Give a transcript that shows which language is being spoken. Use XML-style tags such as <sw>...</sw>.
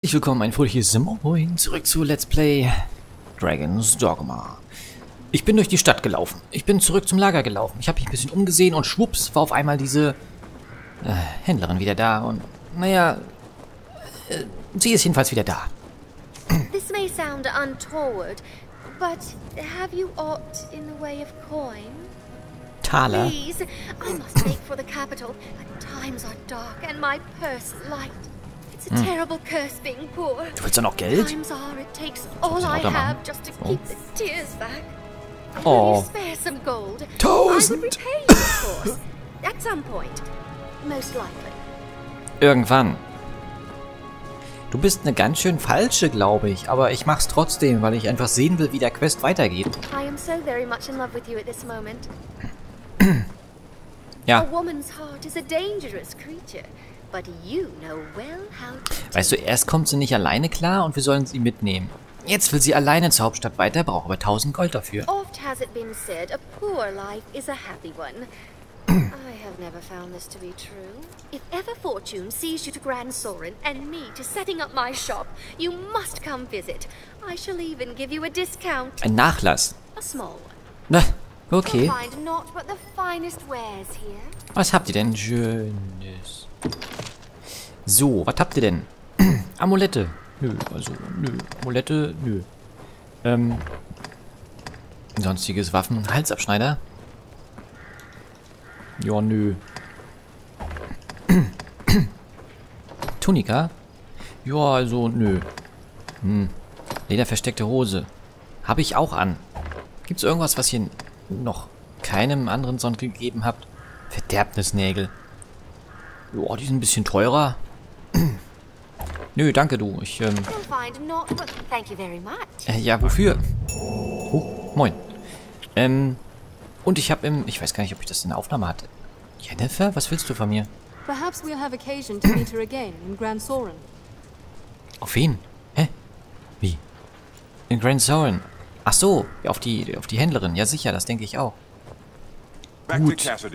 <de>Willkommen, ein fröhliches Moin, zurück zu Let's Play Dragon's Dogma. Ich bin durch die Stadt gelaufen. Ich bin zurück zum Lager gelaufen. Ich habe mich ein bisschen umgesehen und schwupps war auf einmal diese Händlerin wieder da. Und naja, sie ist jedenfalls wieder da.</de> <en>This may sound untoward, but have you aught in the way of coin?</en> <de>Taler?</de> <en>Please, I must make for the capital. Times are dark and my purse light. It's a terrible curse being poor.</en> <de>Du willst doch noch Geld?</de> <en>Times are, it takes all I have just to keep the tears back. Oh. Spare some gold.</en> <de>1000!</de> <en>I will repay you, of course. At some point. Most likely.</en> <de>Irgendwann. Du bist eine ganz schön falsche, glaube ich. Aber ich mach's trotzdem, weil ich einfach sehen will, wie der Quest weitergeht.</de> <en>I am so very much in love with you at this moment.</en> <de>Ja.</de> <en>A woman's heart is a dangerous creature. But you know well how to...</en> <de>Weißt du, erst kommt sie nicht alleine klar und wir sollen sie mitnehmen. Jetzt will sie alleine zur Hauptstadt weiter, braucht aber 1000 Gold dafür.</de> <en>Oft has it been said, a poor life is a happy one. I have never found this to be true. If ever fortune sees you to Grand Sorin and me to setting up my shop, you must come visit. I shall even give you a discount.</en> <de>Ein Nachlass.</de> <en>A small one.</en> <de>Na, okay.</de> <en>You'll find not but the finest wares here.</en> <de>Was habt ihr denn Schönes? So, was habt ihr denn? Amulette. Nö, also, nö. Amulette, nö. Sonstiges Waffen- und Halsabschneider. Ja, nö. Tunika. Ja, also, nö. Hm. Lederversteckte Hose. Habe ich auch an. Gibt's irgendwas, was ihr noch keinem anderen Sonnen gegeben habt? Verderbnisnägel. Joa, die sind ein bisschen teurer. Nö, danke du. Ich, ja, wofür? Oh, moin. Und ich hab im... Ich weiß gar nicht, ob ich das in der Aufnahme hatte. Jennifer, was willst du von mir?</de> <en>Perhaps we'll have occasion to meet her again in Grand Sorin.</en> <de>Auf wen? Hä? Wie? In Grand Sorin. Ach so, auf die Händlerin. Ja, sicher, das denke ich auch. Gut.</de>